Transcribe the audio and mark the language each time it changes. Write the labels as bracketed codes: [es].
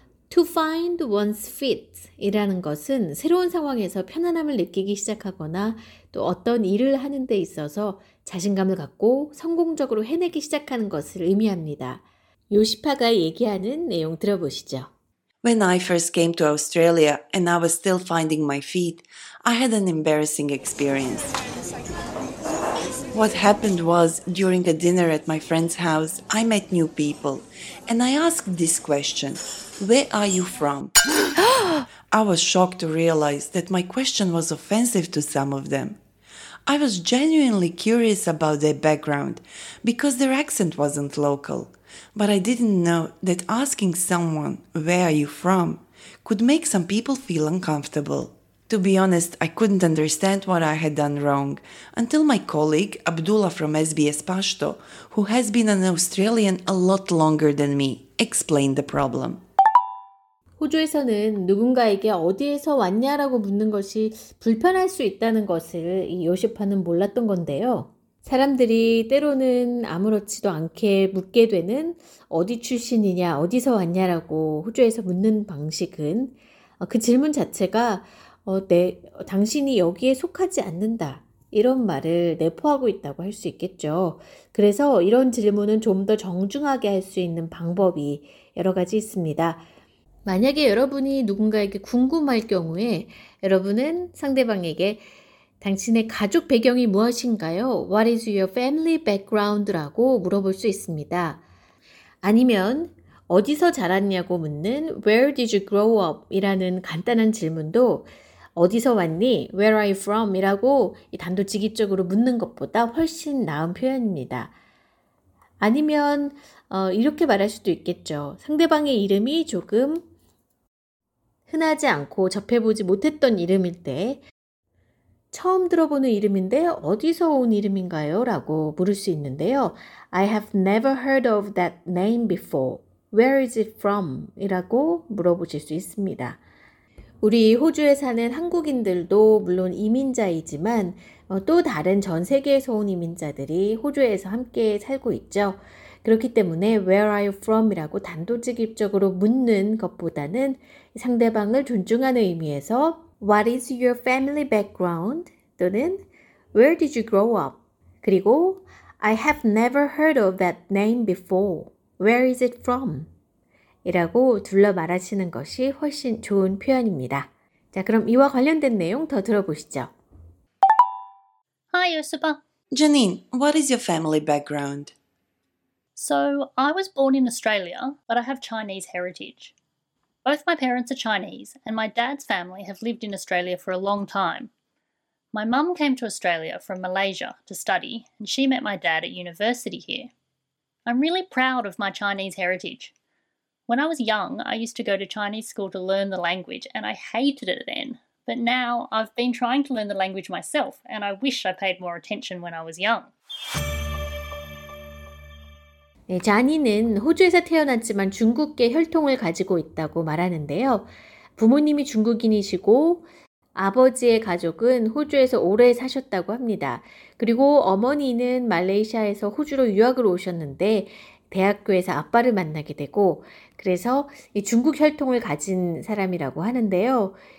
[en] To find one's feet [ko] 이라는 것은 새로운 상황에서 편안함을 느끼기 시작하거나 또 어떤 일을 하는 데 있어서 자신감을 갖고 성공적으로 해내기 시작하는 것을 의미합니다. 요시파가 얘기하는 내용 들어보시죠. [en] When I first came to Australia and I was still finding my feet, I had an embarrassing experience. What happened was, during a dinner at my friend's house, I met new people. And I asked this question, where are you from? I was shocked to realize that my question was offensive to some of them. I was genuinely curious about their background, because their accent wasn't local. But I didn't know that asking someone, where are you from, could make some people feel uncomfortable. To be honest, I couldn't understand what I had done wrong until my colleague, Abdullah from SBS Pashto, who has been an Australian a lot longer than me, explained the problem. [ko] 호주에서는 누군가에게 어디에서 왔냐라고 묻는 것이 불편할 수 있다는 것을 이 요시파는 몰랐던 건데요. 사람들이 때로는 아무렇지도 않게 묻게 되는 어디 출신이냐, 어디서 왔냐라고 호주에서 묻는 방식은 그 질문 자체가 당신이 여기에 속하지 않는다 이런 말을 내포하고 있다고 할 수 있겠죠. 그래서 이런 질문은 좀 더 정중하게 할 수 있는 방법이 여러 가지 있습니다. 만약에 여러분이 누군가에게 궁금할 경우에 여러분은 상대방에게 당신의 가족 배경이 무엇인가요? [en] What is your family background? [ko] 라고 물어볼 수 있습니다. 아니면 어디서 자랐냐고 묻는 [en] Where did you grow up? [ko] 이라는 간단한 질문도 어디서 왔니? [en] Where are you from? [ko] 이라고 단도직입적으로 묻는 것보다 훨씬 나은 표현입니다. 아니면 이렇게 말할 수도 있겠죠. 상대방의 이름이 조금 흔하지 않고 접해보지 못했던 이름일 때 처음 들어보는 이름인데 어디서 온 이름인가요? 라고 물을 수 있는데요. [en] I have never heard of that name before. Where is it from? [ko] 이라고 물어보실 수 있습니다. 우리 호주에 사는 한국인들도 물론 이민자이지만 또 다른 전 세계에서 온 이민자들이 호주에서 함께 살고 있죠. [en] 그렇기 때문에 Where are you from? [ko] 이라고 단도직입적으로 묻는 것보다는 상대방을 존중하는 의미에서 [en] What is your family background? [ko] 또는 [en] Where did you grow up? [ko] 그리고 [en] I have never heard of that name before. Where is it from? [ko] 이라고 둘러 말하시는 것이 훨씬 좋은 표현입니다. 자, 그럼 이와 관련된 내용 더 들어보시죠. [en] Hi, Yosuba. Janine, what is your family background? So, I was born in Australia, but I have Chinese heritage. Both my parents are Chinese, and my dad's family have lived in Australia for a long time. My mum came to Australia from Malaysia to study, and she met my dad at university here. I'm really proud of my Chinese heritage. When I was young, I used to go to Chinese school to learn the language, and I hated it then. But now, I've been trying to learn the language myself, and I wish I paid more attention when I was young. [ko] 네, 자니는 호주에서 태어났지만 중국계 혈통을 가지고 있다고 말하는데요. 부모님이 중국인이시고 아버지의 가족은 호주에서 오래 사셨다고 합니다. 그리고 어머니는 말레이시아에서 호주로 유학을 오셨는데 대학교에서 아빠를 만나게 되고 그래서 중국 혈통을 가진 사람이라고 하는데요.